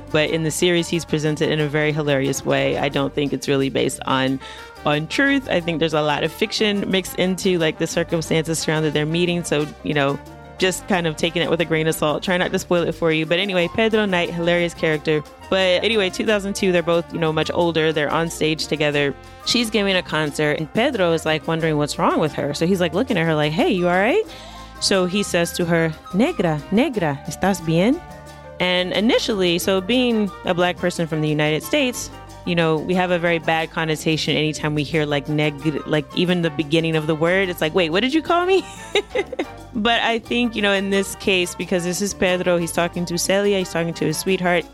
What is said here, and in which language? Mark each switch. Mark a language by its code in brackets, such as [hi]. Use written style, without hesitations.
[en] But in the series, he's presented in a very hilarious way. I don't think it's really based on truth. I think there's a lot of fiction mixed into like the circumstances surrounding their meeting. So, you know, just kind of taking it with a grain of salt, trying not to spoil it for you. But anyway, Pedro Knight, hilarious character. But anyway, 2002, they're both, you know, much older. They're on stage together. She's giving a concert and Pedro is like wondering what's wrong with her. So he's like looking at her like, hey, you all right? So he says to her, [es] negra, negra, ¿estás bien? [en] And initially, so being a black person from the United States, you know, we have a very bad connotation anytime we hear like neg, like even the beginning of the word. It's like, wait, what did you call me? But I think, you know, in this case, because this is Pedro, he's talking to Celia, he's talking to his sweetheart.